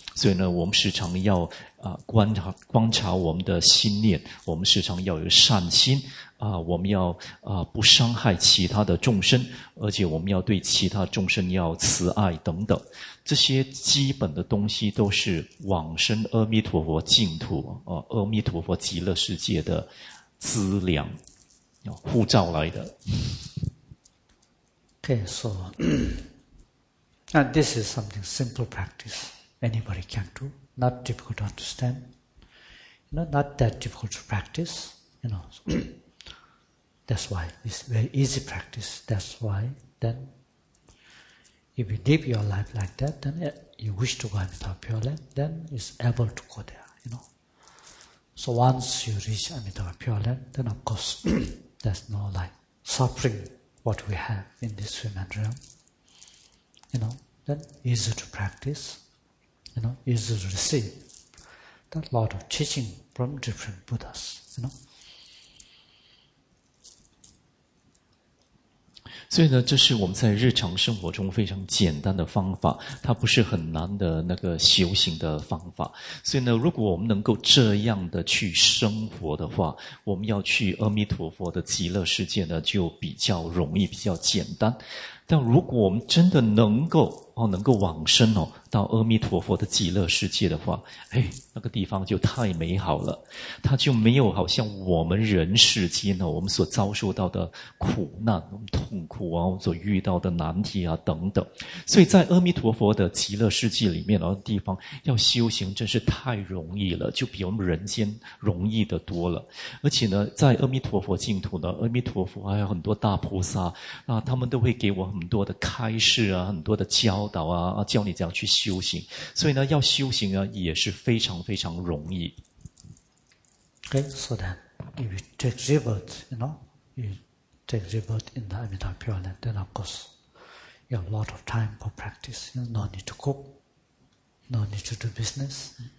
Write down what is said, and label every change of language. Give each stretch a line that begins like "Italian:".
Chinese: 所以呢我们时常要观察我们的心念，我们时常要有善心我们要不伤害其他的众生，而且我们要对其他众生要慈爱等等。这些基本的东西都是往生阿弥陀佛净土阿弥陀佛极乐世界的资粮护照来的。
English: Okay, so, and this is something simple practice. Anybody can do. Not difficult to understand. You know, not that difficult to practice. You know, so, that's why it's very easy practice. That's why then, if you live your life like that, then you wish to go Amitabha Pure Land, then it's able to go there, you know. So once you reach Amitabha Pure Land, then of course, there's no like suffering what we have in this human realm. You know, then easy to practice, you know, easy to receive that lot of teaching from different Buddhas, you know.
Chinese: 所以呢，这是我们在日常生活中非常简单的方法，它不是很难的那个修行的方法。所以呢，如果我们能够这样的去生活的话，我们要去阿弥陀佛的极乐世界呢，就比较容易，比较简单。但如果我们真的能够往生哦，到阿弥陀佛的极乐世界的话，哎，那个地方就太美好了，它就没有好像我们人世间哦，我们所遭受到的苦难、我们痛苦啊，我们所遇到的难题啊等等。所以在阿弥陀佛的极乐世界里面哦，地方要修行真是太容易了，就比我们人间容易的多了。而且呢，在阿弥陀佛净土呢，阿弥陀佛还有很多大菩萨啊，他们都会给我很多的开示啊，很多的教导啊，教你怎样去修行。所以呢，要修行啊，也是非常非常容易。
English: Okay, so then if you take rebirth, you know, you take rebirth in the Amitabha Pure Land, then of course you have a lot of time for practice. You know, no need to cook, no need to do business.